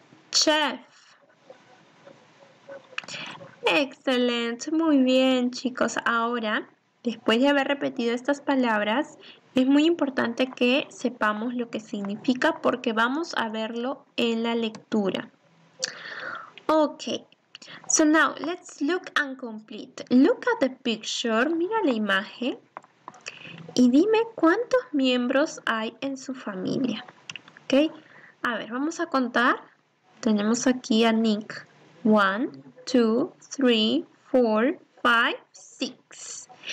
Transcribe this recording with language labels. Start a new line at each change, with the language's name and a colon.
English: Chef.
Spanish: Excelente, muy bien, chicos. Ahora, después de haber repetido estas palabras, es muy importante que sepamos lo que significa porque vamos a verlo en la lectura.
English: Ok, so now let's look and complete. Look at the picture,
Spanish: mira la imagen y dime cuántos miembros hay en su familia. Ok, a ver, vamos a contar. Tenemos aquí a Nick. 1, 2, 3, 4, 5, 6.